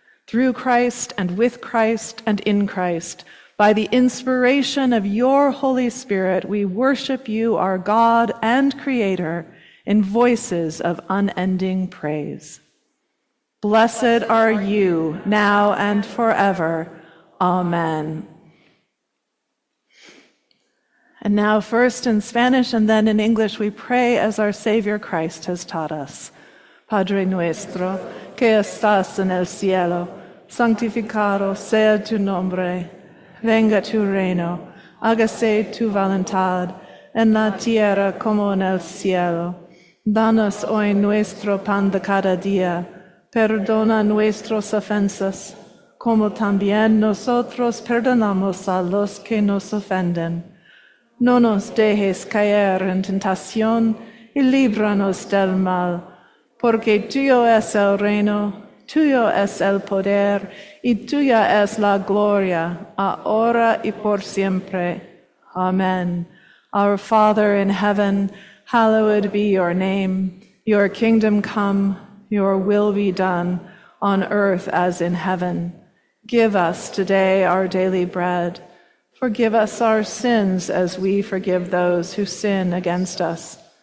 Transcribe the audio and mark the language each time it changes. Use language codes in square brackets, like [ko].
[en] Through Christ and with Christ and in Christ, by the inspiration of your Holy Spirit, we worship you, our God and Creator, in voices of unending praise. Blessed are you, now and forever. Amen. And now, first in Spanish and then in English, we pray as our Savior Christ has taught us. [es] Padre nuestro, que estás en el cielo, santificado sea tu nombre, venga tu reino, hágase tu voluntad, en la tierra como en el cielo. Danos hoy nuestro pan de cada día, perdona nuestras ofensas, como también nosotros perdonamos a los que nos ofenden. No nos dejes caer en tentación y líbranos del mal, porque tuyo es el reino, tuyo es el poder y tuya es la gloria, ahora y por siempre. [en] Amen. Our Father in heaven, hallowed be your name. Your kingdom come, your will be done, on earth as in heaven. Give us today our daily bread. Forgive us our sins as we forgive those who sin against us.